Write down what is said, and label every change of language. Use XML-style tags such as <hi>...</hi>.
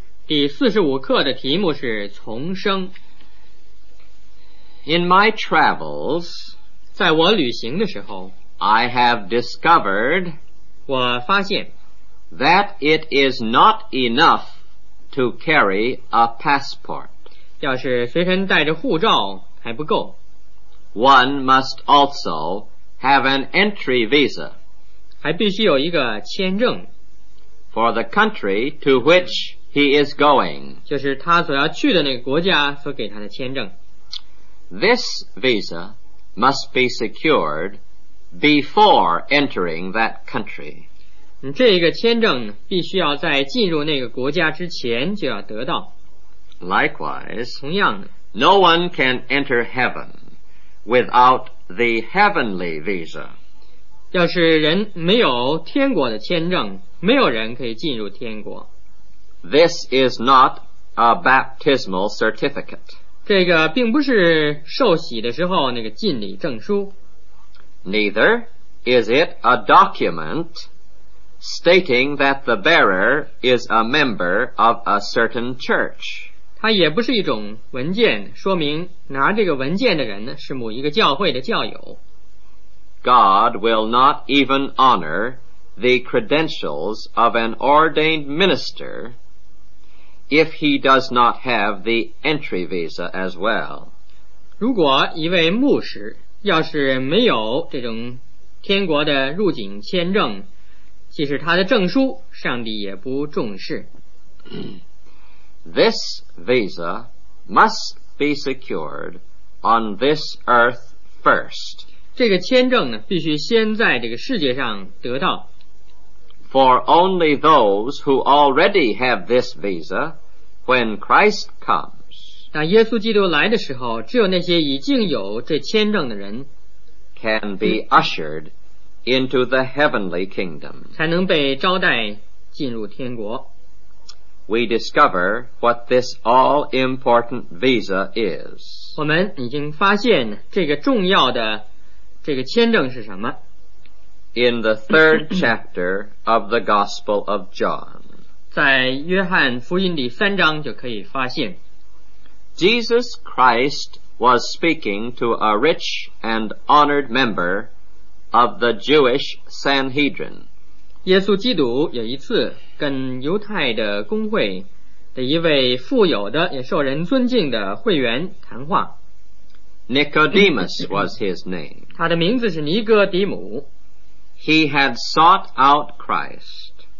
<zh>第45课的题目是重生。</zh> <en>In my travels,</en> <zh>在我旅行的时候，</zh> <en>I have discovered,</en> <zh>我发现，</zh> <en>that it is not enough to carry a passport.</en> <zh>要是随身带着护照还不够。</zh> <en>One must also have an entry visa.</en> <zh>还必须有一个签证。</zh> <en>For the country to which he is going.</en> <zh>就是他所要去的那个国家所给他的签证。</zh> <en>This visa must be secured before entering that country.</en> <zh>这个签证必须要在进入那个国家之前就要得到。</zh> <en>Likewise,</en> <zh>同样的，</zh> <en>no one can enter heaven without the heavenly visa.</en> <zh>要是人没有天国的签证，没有人可以进入天国。</zh> <en>This is not a baptismal certificate.</en> <zh>这个并不是受洗的时候那个浸礼证书。</zh> <en>Neither is it a documentStating that the bearer is a member of a certain church.</en> <zh>它也不是一种文件，说明拿这个文件的人是某一个教会的教友。</zh> <en>God will not even honor the credentials of an ordained minister if he does not have the entry visa as well.</en> <zh>如果一位牧师要是没有这种天国的入境签证，即使他的证书，上帝也不重视。</zh> <en>This visa must be secured on this earth first.</en> <zh>这个签证呢，必须先在这个世界上得到。</zh> <en>For only those who already have this visa, when Christ comes,</en> <zh>当耶稣基督来的时候，只有那些已经有这签证的人</zh> <en>can be ushered. Into the heavenly kingdom.</en> <zh>才能被招待进入天国。</zh> <en>We discover what this all-important visa is.</en> <zh>我们已经发现这个重要的这个签证是什么。</zh> <en>In the third chapter of the Gospel of John.</en> <zh>在约翰福音第三章就可以发现。</zh> <en>Jesus Christ was speaking to a rich and honored member of the Jewish Sanhedrin.</en> <zh>耶稣基督有一次跟犹太的公会的一位富有的也受人尊敬的会员谈话。</zh> <en>Nicodemus was his name.</en> <zh>他的名字是尼哥底母。</zh> <en>He had sought out Christ.</en>